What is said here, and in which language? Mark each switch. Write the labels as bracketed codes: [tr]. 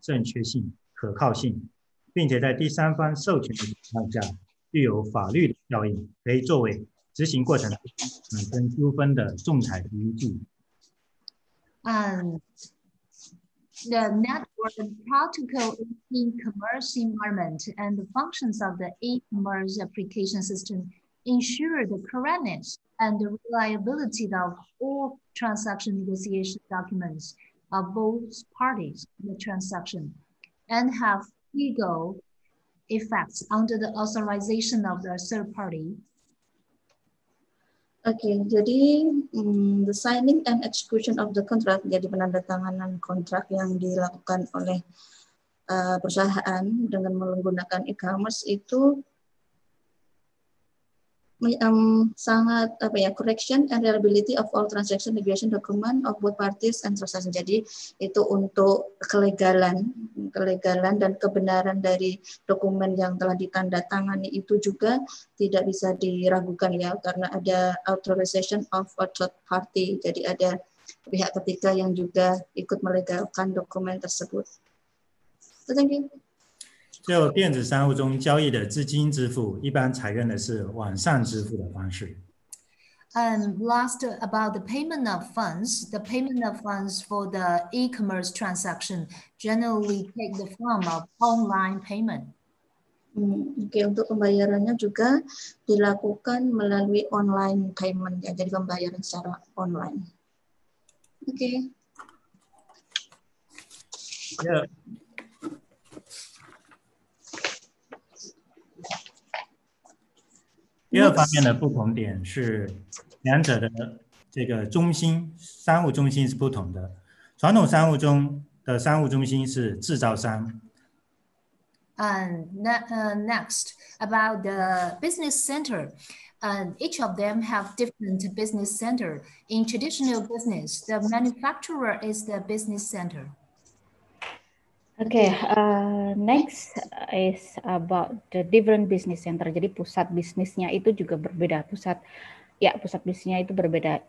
[zh] Okay. 电子商务环境下的网络协议和电子商务的应援系统的功能，它能够保证交易双方所有的交易协商文件的正确性、可靠性。并且在第三方授权的情况下，具有法律的效应，可以作为执行过程产生纠纷的仲裁依据。 [en] The network protocol in e-commerce environment and the functions of the e-commerce application system ensure the correctness and the reliability of all transaction negotiation documents of both parties in the transaction and have legal effects under the authorization of the third party. [id] Okay, jadi [en] the signing and execution of the contract, [id] jadi penandatanganan kontrak yang dilakukan oleh perusahaan dengan menggunakan e-commerce itu sangat apa ya [en] correction and reliability of all transaction negotiation document of both parties and transaction. [id] Jadi itu untuk kelegalan dan kebenaran dari dokumen yang telah ditandatangani itu juga tidak bisa diragukan ya, karena ada [en] authorization of a third party. [id] Jadi ada pihak ketiga yang juga ikut melegalkan dokumen tersebut. [en] So, thank you. [zh] 就电子商务中交易的资金支付，一般采用的是网上支付的方式。 [en] Last about the payment of funds, the payment of funds for the e-commerce transaction generally take the form of online payment. [id] Okay, untuk pembayarannya juga dilakukan melalui online payment ya, jadi pembayaran secara online. [en] Okay. Yeah. Next. [zh] 第二方面的不同点是两者的这个中心商务中心是不同的，传统商务中的商务中心是制造商。 [en] Next about the business center, each of them have different business center. In traditional business, the manufacturer is the business center. Okay, next is about the different business center. [id] Jadi pusat bisnisnya itu juga berbeda. Pusat bisnisnya itu berbeda.